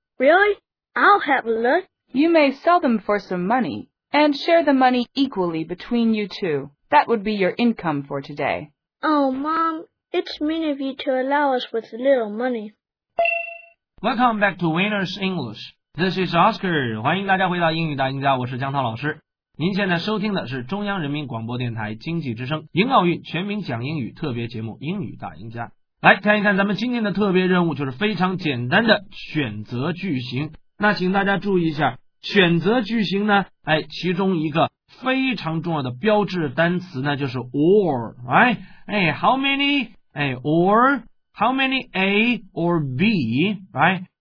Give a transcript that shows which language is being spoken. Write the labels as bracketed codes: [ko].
[en] Really? I'll have a look. You may sell them for some money, and share the money equally between you two. That would be your income for today. Oh, Mom, it's mean of you to allow us with little money. Welcome back to Winner's English. This is Oscar. [zh] 欢迎大家回到英语大赢家，我是江涛老师。您现在收听的是中央人民广播电台经济之声迎奥运全民讲英语特别节目《英语大赢家》。来看一看咱们今天的特别任务，就是非常简单的选择句型。那请大家注意一下，选择句型呢，哎，其中一个非常重要的标志单词呢，就是 or, [en] right? 哎 ,how many, 哎 ,or, how many A or B, right?